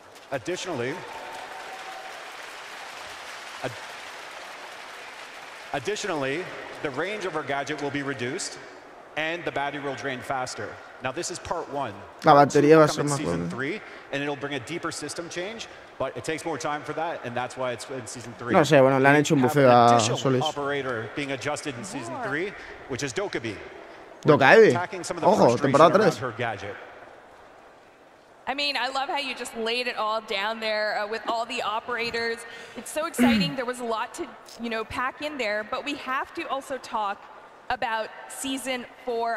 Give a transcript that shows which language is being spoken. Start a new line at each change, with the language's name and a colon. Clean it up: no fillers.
English: Additionally, the range of her gadget will be reduced, and the battery will drain faster. Now, this is part 1.
Spanish: La batería va a ser más
English: season 3, and it'll bring a deeper system change. But it takes more time for that, and that's why it's in season 3.
Spanish: No sé, bueno, le han hecho un buffet a Solis.
English: Operator being adjusted in season 3, which is Dokkaebi.
Spanish: Dokkaebi. Ojo, temporada 3.
English: I mean, I love how you just laid it all down there with all the operators. It's so exciting. There was a lot to, you know, pack in there, but we have to also talk about season 4.